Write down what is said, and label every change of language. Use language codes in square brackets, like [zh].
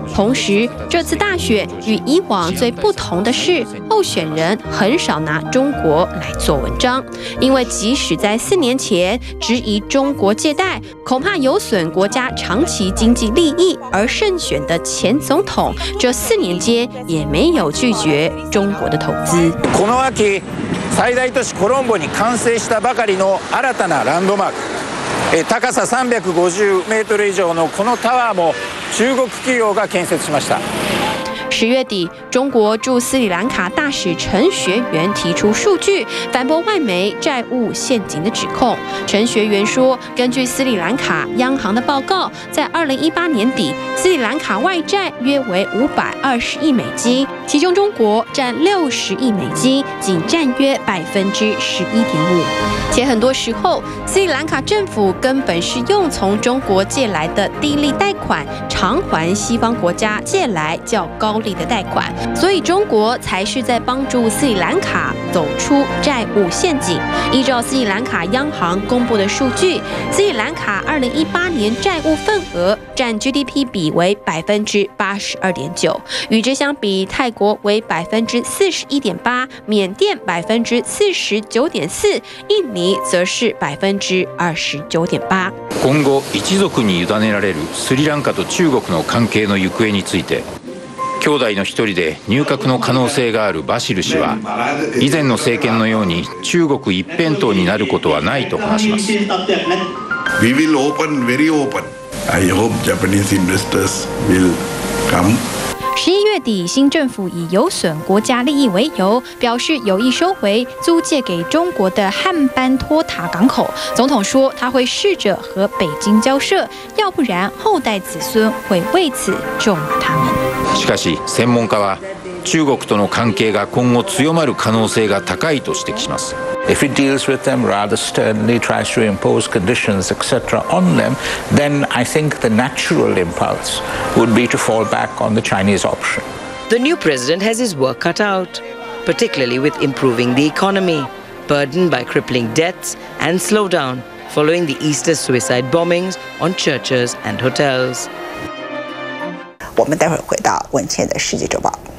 [zh] 同时，这次大选与以往最不同的是，候选人很少拿中国来做文章，因为即使在四年前质疑中国借贷恐怕有损国家长期经济利益而胜选的前总统，这四年间也没有拒绝中国的投资。 [ja] この秋最大都市コロンボに完成したばかりの新たなランドマーク、高さ350メートル以上のこのタワーも中国企業が建設しました。 [zh] 十月底，中国驻斯里兰卡大使陈学元提出数据，反驳外媒债务陷阱的指控。陈学元说，根据斯里兰卡央行的报告，在2018年底，斯里兰卡外债约为520亿美金，其中中国占60亿美金，仅占约11.5%。且很多时候，斯里兰卡政府根本是用从中国借来的低利贷款偿还西方国家借来较高高利的贷款，所以中国才是在帮助斯里兰卡走出债务陷阱。依照斯里兰卡央行公布的数据，斯里兰卡2018年债务份额占 GDP 比为82.9%，与之相比，泰国为41.8%，缅甸49.4%，印尼则是29.8%。 [ja] 今後一族に委ねられるスリランカと中国の関係の行方について。兄弟の一人で入閣の可能性があるバシル氏は、以前の政権のように中国一辺倒になることはないと話します。 [en] We will open very open. I hope Japanese investors will come. [zh] 十一月底，新政府以有损国家利益为由，表示有意收回租借给中国的汉班托塔港口。总统说，他会试着和北京交涉，要不然后代子孙会为此咒骂他们。 [ja] しかし、専門家は中国との関係が今後強まる可能性が高いと指摘します。 [en] If it deals with them rather sternly, tries to impose conditions, etc. on them, then I think the natural impulse would be to fall back on the Chinese option. The new president has his work cut out, particularly with improving the economy, burdened by crippling debts and slowdown following the Easter suicide bombings on churches and hotels. [zh] 我们待会儿回到文倩的世界周报。